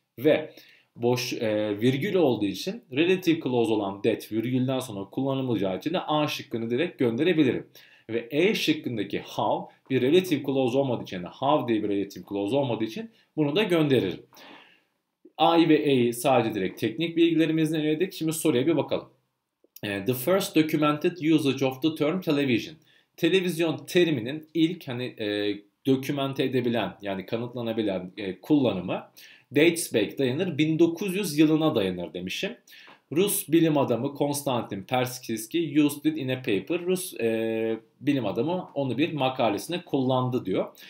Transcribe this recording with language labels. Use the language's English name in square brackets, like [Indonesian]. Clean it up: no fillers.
[Turkish] Ve boş virgül olduğu için relative clause olan that virgülden sonra kullanılacağı için de A şıkkını direkt gönderebilirim. Ve E şıkkındaki how bir relative clause olmadığı için, how diye bir relative clause olmadığı için bunu da gönderirim. I ve A'yı sadece direkt teknik bilgilerimizle yönelik. Şimdi soruya bir bakalım. [English] The first documented usage of the term television. [Turkish] Televizyon teriminin ilk hani dokümente edebilen yani kanıtlanabilen kullanımı [English] dates back, [Turkish] dayanır 1900 yılına dayanır demişim. Rus bilim adamı [English] Konstantin Perskiski used it in a paper. [Turkish] Rus bilim adamı onu bir makalesinde kullandı diyor.